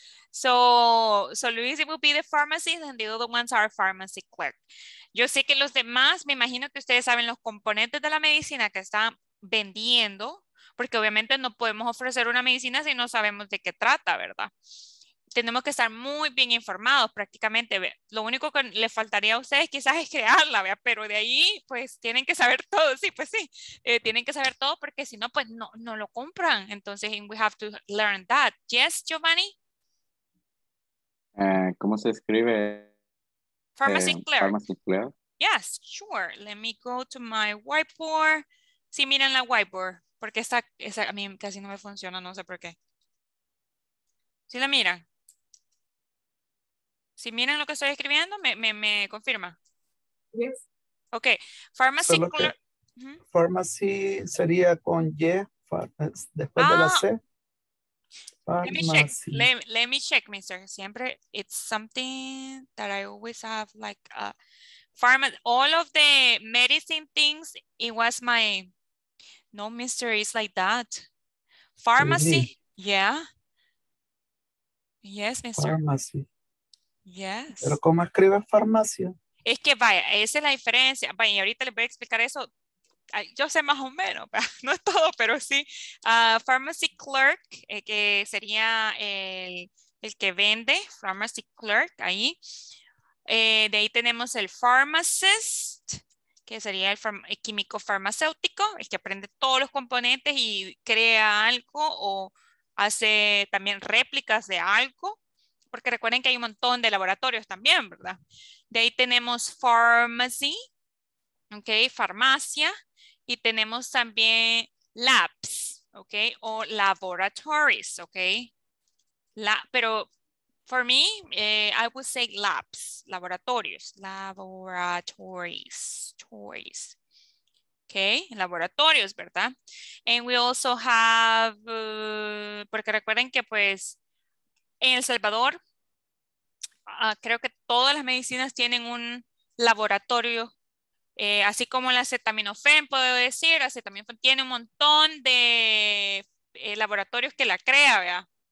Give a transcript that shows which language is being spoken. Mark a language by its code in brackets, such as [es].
[en] So Luis, it will be the pharmacist and the other ones are pharmacy clerk. [es] Yo sé que los demás, me imagino que ustedes saben los componentes de la medicina que están vendiendo, porque obviamente no podemos ofrecer una medicina si no sabemos de qué trata, ¿verdad? Tenemos que estar muy bien informados prácticamente. Lo único que le faltaría a ustedes quizás es crearla, ¿verdad? Pero de ahí, pues, tienen que saber todo. Sí, pues sí, tienen que saber todo porque si no, pues, no lo compran. [en] Entonces, we have to learn that. Yes, Giovanni? [es] ¿Cómo se escribe? [en] Pharmacy clerk. Pharmacy clerk. Yes, sure. Let me go to my whiteboard. [es] Sí, miren la whiteboard. Porque esa a mí casi no me funciona, no sé por qué. ¿Sí la miran? ¿Sí miran lo que estoy escribiendo? ¿Me confirma? Yes. [en] Ok. Pharmacy clerk. [es] Pharmacy sería con Y, después de la C. [en] Let me check, mister. Siempre, it's something that I always have, like, pharmacy. All of the medicine things, it was my... No, mister, it's like that. Pharmacy, really? Yeah. Yes, mister. Pharmacy. Yes. [es] Pero ¿cómo escribe farmacia? Es que vaya, esa es la diferencia. Vaya, y ahorita les voy a explicar eso. Yo sé más o menos, no es todo, pero sí. Pharmacy clerk, que sería el que vende, pharmacy clerk, ahí. De ahí tenemos el pharmacist, que sería el químico farmacéutico, el que aprende todos los componentes y crea algo o hace también réplicas de algo. Porque recuerden que hay un montón de laboratorios también, ¿verdad? De ahí tenemos pharmacy, ¿ok? Farmacia. Y tenemos también [en] labs, okay, o laboratories, okay. Pero for me, I would say labs, laboratorios, laboratories, toys. [es] Okay, laboratorios, ¿verdad? [en] And we also have, [es] porque recuerden que pues en El Salvador, creo que todas las medicinas tienen un laboratorio, así como el acetaminofén, puedo decir, acetaminofén tiene un montón de laboratorios que la crea, ¿verdad?